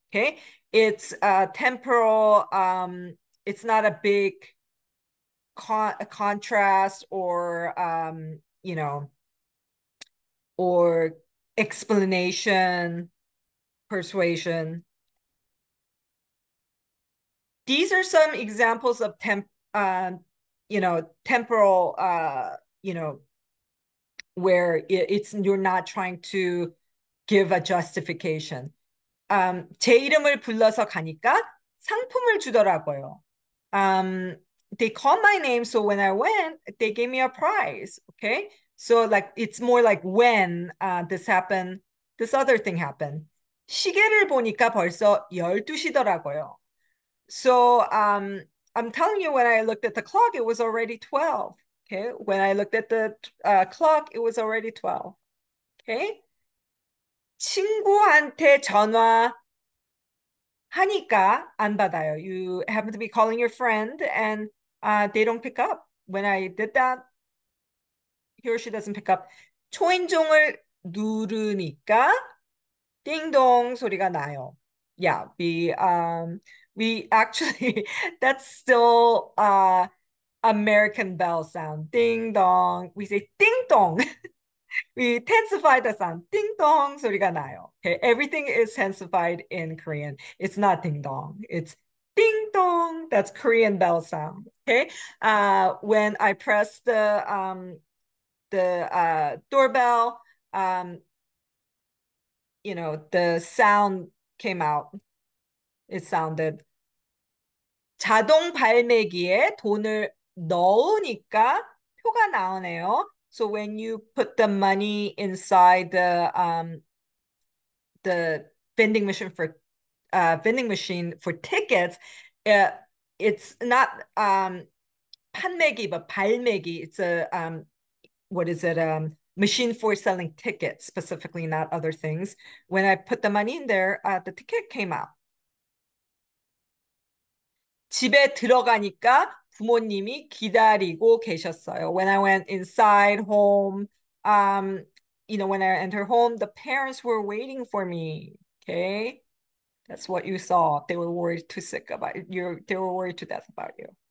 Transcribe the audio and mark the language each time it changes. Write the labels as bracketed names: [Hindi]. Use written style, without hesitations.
[English] Okay, it's temporal, it's not a big a contrast or or explanation, persuasion. These are some examples of temporal where it's you're not trying to give a justification. [Korean] 제 이름을 불러서 가니까 상품을 주더라고요. [English] They called my name, so when I went, they gave me a prize. Okay, so like it's more like when this happened, this other thing happened. [Korean] 시계를 보니까 벌써 12시더라고요. [English] So I'm telling you, when I looked at the clock, it was already 12. Okay, when I looked at the clock, it was already 12. [Korean] Okay, 친구한테 전화 하니까 안 받아요. [English] You happen to be calling your friend and they don't pick up. When I did that, he or she doesn't pick up. [Korean] 초인종을 누르니까 띵동 소리가 나요. [English] Yeah, we actually that's still American bell sound. Ding dong. We say ding dong. We tensify the sound. Ding dong [Korean] 소리가 나요. [English] Okay, everything is tensified in Korean. It's not ding dong. It's ding dong. That's Korean bell sound. Okay. When I press the doorbell, the sound came out. It sounded. [Korean] 자동 발매기에 돈을 넣으니까 표가 나오네요. [English] So when you put the money inside the vending machine for tickets, it's not 판매기 but 발매기. It's a what is it? Machine for selling tickets specifically, not other things. When I put the money in there, the ticket came out. [Korean] 집에 들어가니까 부모님이 기다리고 계셨어요. [English] When I went inside home, when I entered home, the parents were waiting for me. Okay. That's what you saw. They were worried to sick about you. They were worried to death about you.